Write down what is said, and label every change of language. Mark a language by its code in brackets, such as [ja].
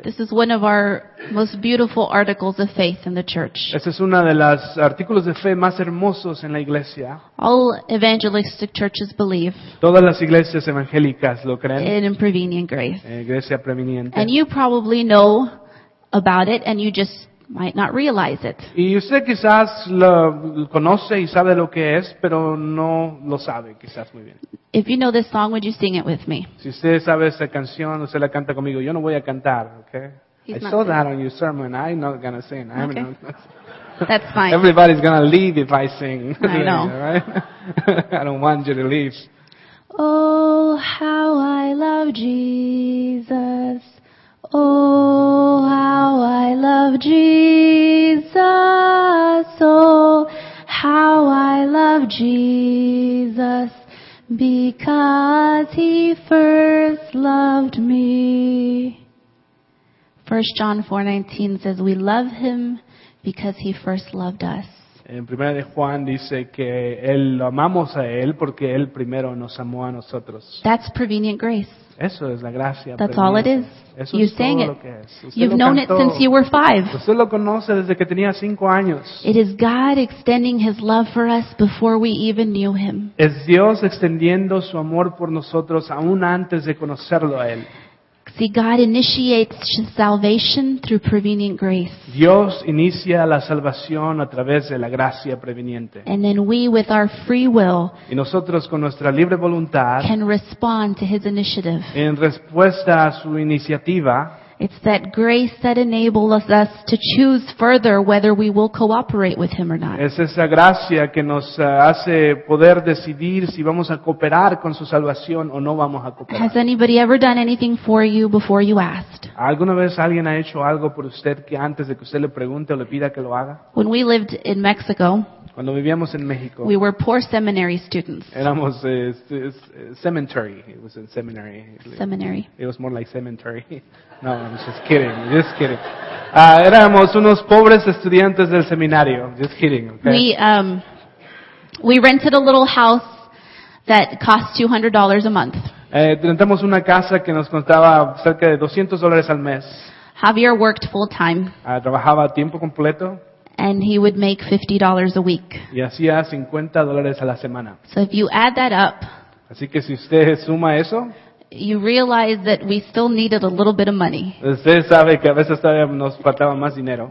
[en] This is one of our most beautiful articles of faith in the church. [es] Este es uno de los artículos de fe más hermosos en la iglesia. [en] All evangelistic churches believe. [es] Todas las iglesias evangélicas lo creen. [en] In prevenient grace. [es] Gracia preveniente. [en] And you probably know about it and you just might not realize it. [es] Y usted quizás lo conoce y sabe lo que es, pero no lo sabe quizás muy bien. [en] If you know this song, would you sing it with me? [es] Si usted sabe esa canción, usted la canta conmigo. Yo no voy a cantar, okay? [en] He's I saw singing. That on your sermon. I'm not gonna sing. Okay. I'm not. That's fine. Everybody's gonna leave if I sing. I know. Right? I don't want you to leave. Oh, how I love Jesus. Oh, how I love Jesus. Oh, how I love Jesus. Because he first loved me. 1 John 4:19 says we love him because he first loved us. En primera de Juan dice que él lo amamos a él porque él primero nos amó a nosotros. That's prevenient grace. [es] Eso es la gracia. [en] That's [es] preveniente. [en] All it is. [es] Eso [en] you [es] es [en] sang [es] todo [en] it. [es] Lo que es. Usted [en] you've [es] lo [en] known [es] cantó. [en] It since you were five. [es] Usted lo conoce desde que tenía 5 años. [en] It is God extending his love for us before we even knew him. [es] Es Dios extendiendo su amor por nosotros aún antes de conocerlo a él. [en] See, God initiates salvation through prevenient grace. [es] Dios inicia la salvación a través de la gracia preveniente. [en] And then we, with our free will, [es] y nosotros con nuestra libre voluntad, [en] can respond to his initiative. [es] En respuesta a su iniciativa, [en] it's that grace that enables us to choose further whether we will cooperate with him or not. [es] Es esa gracia que nos hace poder decidir si vamos a cooperar con su salvación o no vamos a cooperar. [en] Has anybody ever done anything for you before you asked? [es] ¿Alguna vez alguien ha hecho algo por usted que antes de que usted le pregunte o le pida que lo haga? [en] When we lived in Mexico, [es] cuando vivíamos en México, [en] we were poor seminary students. Éramos seminary. It was in seminary. Seminary. It was more like cemetery. No, I'm just kidding. Just kidding. [es] Éramos unos pobres estudiantes del seminario. [en] Just kidding. Okay? We rented a little house that cost $200 a month. [es] Rentamos una casa que nos costaba cerca de $200 al mes. [en] Javier worked full time. [es] Trabajaba a tiempo completo. [en] And he would make $50 a week. [es] Y hacía $50 a la semana. [en] So if you add that up, [es] así que si usted suma eso, [en] you realize that we still needed a little bit of money. [es] Usted sabe que a veces todavía nos faltaba más dinero.